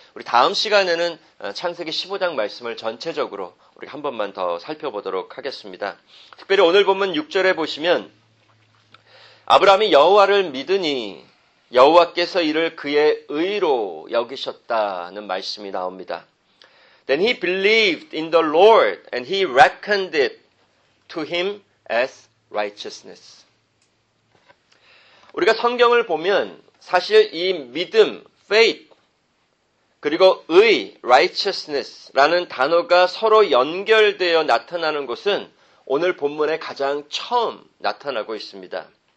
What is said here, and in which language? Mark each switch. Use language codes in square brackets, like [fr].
[ko] 우리 다음 시간에는 창세기 15장 말씀을 전체적으로 우리 한 번만 더 살펴보도록 하겠습니다. 특별히 오늘 보면 6절에 보시면 아브라함이 여호와를 믿으니 여호와께서 이를 그의 의로 여기셨다는 말씀이 나옵니다. [en] Then he believed in the Lord and he reckoned it to him as righteousness. [ko] 우리가 성경을 보면 사실 이 믿음, faith, 그리고 의, righteousness라는 단어가 서로 연결되어 나타나는 것은 오늘 본문에 가장 처음 나타나고 있습니다.